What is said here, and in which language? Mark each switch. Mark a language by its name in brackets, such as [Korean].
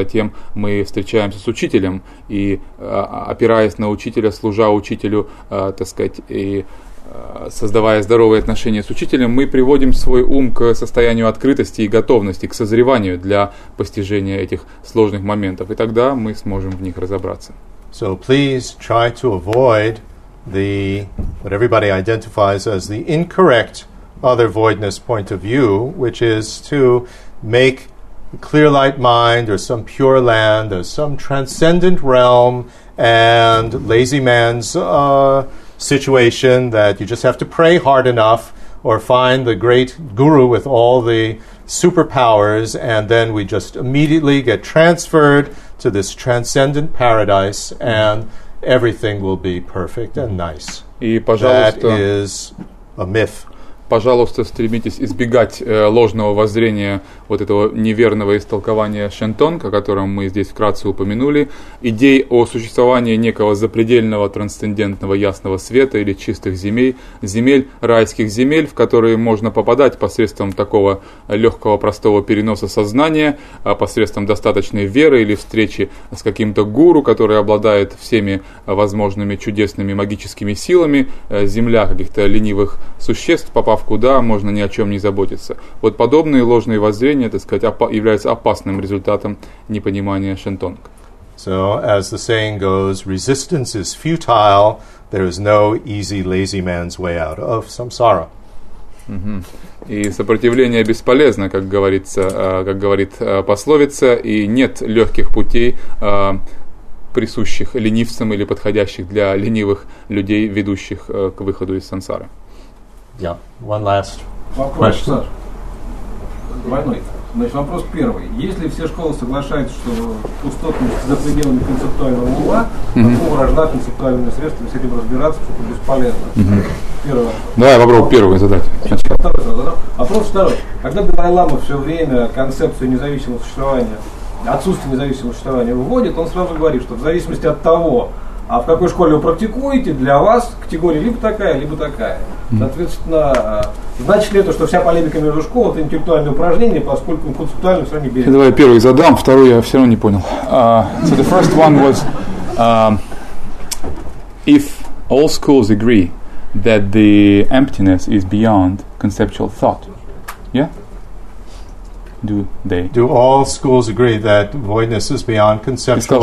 [Russian] Затем мы встречаемся с учителем и, опираясь на учителя, служа учителю, так сказать, и создавая здоровые отношения с учителем, мы приводим свой ум к состоянию открытости и готовности, к созреванию для постижения этих сложных моментов. И тогда мы сможем в них разобраться. [English] So please try to avoid what everybody identifies as the incorrect other voidness point of view, which is to make clear light mind or some pure land or some transcendent realm and lazy man's situation that you just have to pray hard enough or find the great guru with all the superpowers and then we just immediately get transferred to this transcendent paradise and everything will be perfect and nice. [Russian] И, пожалуйста, [English] that is a myth. [Russian] Пожалуйста, стремитесь избегать ложного воззрения, вот этого неверного истолкования Шентонга, о котором мы здесь вкратце упомянули, идей о существовании некого запредельного, трансцендентного, ясного света или чистых земель, райских земель, в которые можно попадать посредством такого легкого, простого переноса сознания, посредством достаточной веры или встречи с каким-то гуру, который обладает всеми возможными чудесными магическими силами, земля каких-то ленивых существ, попав куда, можно ни о чем не заботиться. Вот подобные ложные воззрения, так сказать, является опасным результатом непонимания Шентонг. [English] So, as the saying goes, resistance is futile. There is no easy, lazy man's way out of samsara. [Russian] И сопротивление бесполезно, как говорит пословица, и нет легких путей, присущих ленивцам или подходящих для ленивых людей, ведущих к выходу из самсары. [English] Yeah, one last question. [Russian] Вопрос, сэр. Двойной. Значит, вопрос первый. Если все школы соглашаются, что пустотность за пределами концептуального ума, какого рожда концептуальное средство, с этим разбираться, что-то бесполезно? Первый. Давай я попробую первый задать. Вопрос второй. Когда Далай-лама все время концепцию независимого существования, отсутствие независимого существования вводит, он сразу говорит, что в зависимости от того, а в какой школе вы практикуете, для вас категория либо такая, либо такая. Соответственно, значит ли это, что вся полемика между школами – это интеллектуальное упражнение, поскольку концептуально все равно не берет? Давай я первый задам, второй я все равно не понял. [English] So the first one was, if all schools agree that the emptiness is beyond conceptual thought, yeah? Do they? Do all schools agree that voidness is beyond conceptual thought?